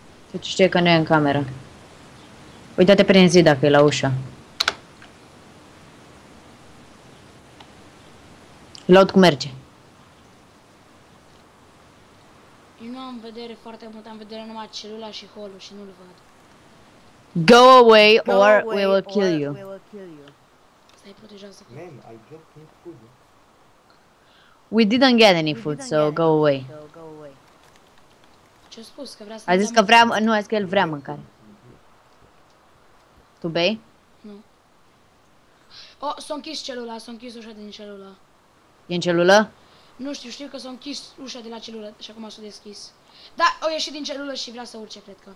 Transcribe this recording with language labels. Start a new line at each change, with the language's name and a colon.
Romanian: Deci știe că nu e în cameră. Uită-te prin zid dacă e la ușă. Laud cum merge. Eu nu am vedere foarte mult, am vedere numai celula și holul și nu-l văd.
English: Go away or we will kill you.
Romanian: Stai protejează.
English: Man, I dropped my food. We didn't get any food, so go away.
Romanian: Ce-a spus? Că vrea să... A zis că vrea, nu, a zis că el vrea mâncare. Tu bei? Nu. Oh, s-a închis celula, s-a închis ușa din celula. E în celulă? Nu știu, știu că s-a închis ușa de la celulă și acum s-a deschis. Da, o ieșit din celulă și vrea să urce, cred că.